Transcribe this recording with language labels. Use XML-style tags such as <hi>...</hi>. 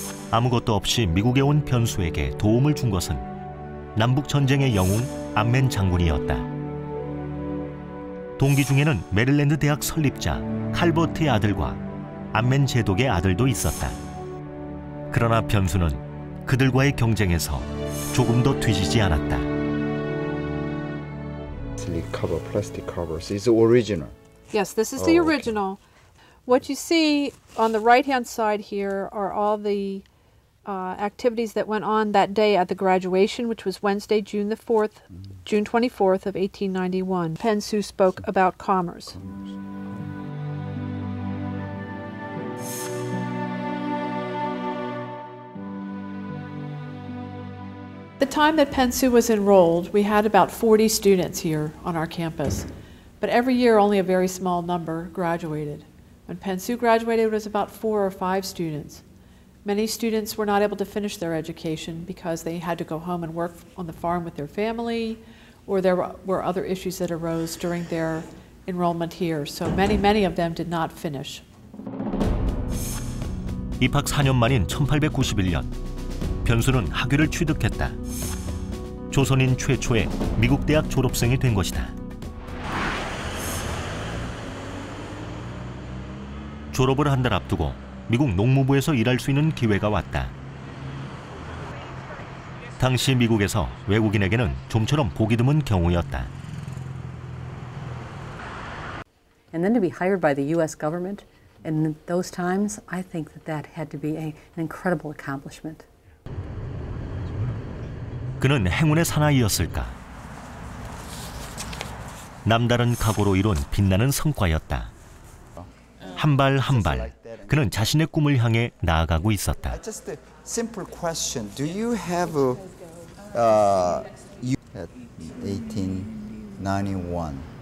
<ko>아무것도 없이 미국에 온 변수에게 도움을 준 것은 남북전쟁의 영웅 안맨 장군이었다. 동기 중에는 메릴랜드 대학 설립자 칼버트의 아들과 안맨 제독의 아들도 있었다. 그러나 변수는 그들과의 경쟁에서 조금 더 뒤지지 않았다.</ko> <en>Cover, plastic covers. It's the original. Yes, this is the original. Okay. What you see on the right-hand side here are all the activities that went on that day at the graduation, which was Wednesday, June the 4th, June 24th of 1891. Penn Sue spoke about commerce. The time that Penn Sue was enrolled, we had about 40 students here on our campus, but every year only a very small number graduated. When Penn Sue graduated, it was about 4 or 5 students. Many students were not able to finish their education because they had to go home and work on the farm with their family, or there were other issues that arose during their enrollment here, so many, many of them did not finish.</en> <ko>입학 4년 만인 1891년, 변수는 학위를 취득했다. 조선인 최초의 미국 대학 졸업생이 된 것이다. 졸업을 한 달 앞두고 미국 농무부에서 일할 수 있는 기회가 왔다. 당시 미국에서 외국인에게는 좀처럼 보기 드문 경우였다.</ko> <en>And then to be hired by the US government in those times, I think that had to be an incredible accomplishment.</en> <ko>그는 행운의 사나이였을까? 남다른 각오로 이룬 빛나는 성과였다. 한 발 한 발, 그는 자신의 꿈을 향해 나아가고 있었다.</ko> <en>Just a simple question. Do you have a 1891.</en>